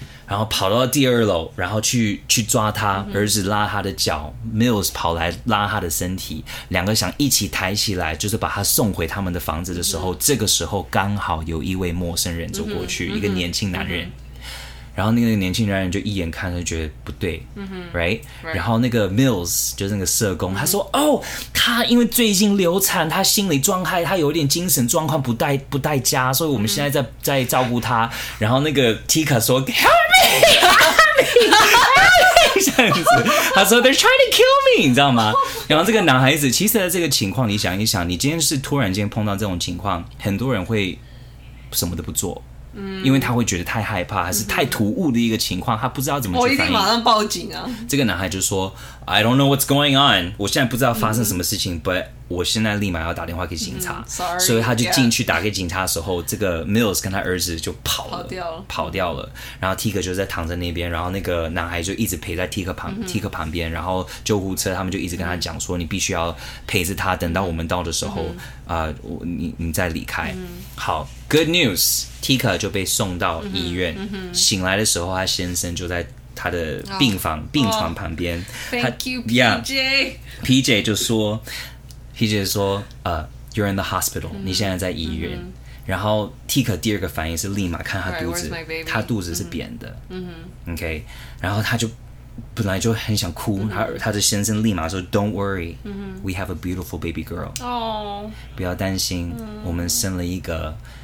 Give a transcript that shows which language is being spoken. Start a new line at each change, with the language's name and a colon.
Chinese: 然后跑到第二楼，然后 去抓他、嗯、儿子拉他的脚 ，Mills 跑来拉他的身体，两个想一起抬起来，就是把他送回他们的房子的时候，嗯、这个时候刚好有一位陌生人走过去，嗯、一个年轻男人、嗯，然后那个年轻男人就一眼看就觉得不对、嗯、，
English: right？
Chinese: 然后那个 Mills 就是那个社工，嗯、他说：“哦，他因为最近流产，他心理状态他有点精神状况不带家，所以我们现在 在照顾他。嗯”然后那个 Tika 说 ：
English: “Help！”
Chinese: 他说
English: They're trying to kill me，
Chinese: 你知道吗？然后这个男孩子，其实在这个情况，你想一想，你今天是突然间碰到这种情况，很多人会什么都不做，因为他会觉得太害怕，还是太突兀的一个情况，他不知道怎么去反应。我一定马上报警啊！这个男孩就说 ：
English: “I don't know what's going on，
Chinese: 我现在不知道发生什么事情、，
English: but
Chinese: 我现在立马要打电话给警察。所以他就进去打给警察的时候，
English: yeah.
Chinese: 这个 Mills 跟他儿子就跑了，跑掉了。然后 Tika 就在躺在那边，然后那个男孩就一直陪在 Tika 旁、Tika 旁边，然后救护车他们就一直跟他讲说：“你必须要陪着他，等到我们到的时候，你再离开。好。”
English: Good news，
Chinese: Tika 就被送到医院。嗯嗯、醒来的时候，他先生就在他的病房、病床旁边。
English: Thank you, PJ。
Chinese: PJ 就说 ，PJ 说，
English: you're in the hospital，、
Chinese: 你现在在医院。然后 Tika 第二个反应是立马看他肚子，
English: right,
Chinese: 他肚子是扁的。 OK， 然后他就本来就很想哭，他的先生立马说 ，
English: Don't worry，、we have a beautiful baby girl。
Chinese: 哦，不要担心，我们生了一个。